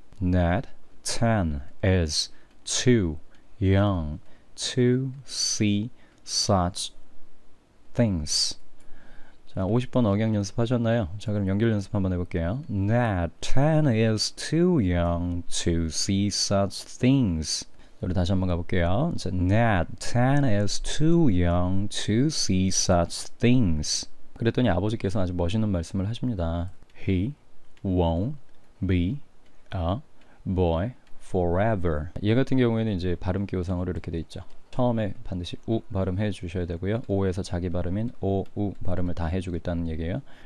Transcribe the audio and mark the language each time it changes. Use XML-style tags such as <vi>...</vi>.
<en>Not 10 is too young to see such things.</en> <ko>자, 50번 억양 연습하셨나요? 자, 그럼 연결 연습 한번 해볼게요.</ko> <en>Not 10 is too young to see such things.</en> <ko>우리 다시 한번 가볼게요.</ko> <en>Not 10 is too young to see such things.</en> <ko>그랬더니 아버지께서 아주 멋있는 말씀을 하십니다.</ko> <en>He won't be a boy forever.</en> <ko>얘 같은 경우에는 이제 발음 기호상으로 이렇게 돼 있죠. 처음에 반드시 우 발음해 주셔야 되고요. 오에서 자기 발음인 오, 우 발음을 다 해주겠다는 얘기예요.</ko>